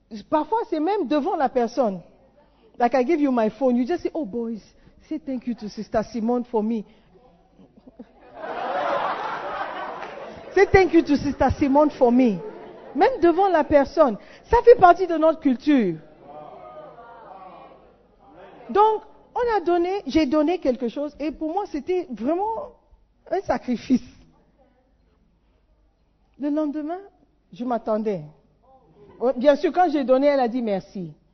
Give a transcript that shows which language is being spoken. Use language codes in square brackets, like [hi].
[fr] Parfois, c'est même devant la personne. [en] Like, I give you my phone, you just say, oh, boys, say thank you to Sister Simone for me. Say thank you to Sister Simone for me. [fr] Même devant la personne. Ça fait partie de notre culture. Donc, j'ai donné quelque chose, et pour moi, c'était vraiment un sacrifice. Le lendemain, je m'attendais. Bien sûr, quand j'ai donné, elle a dit merci.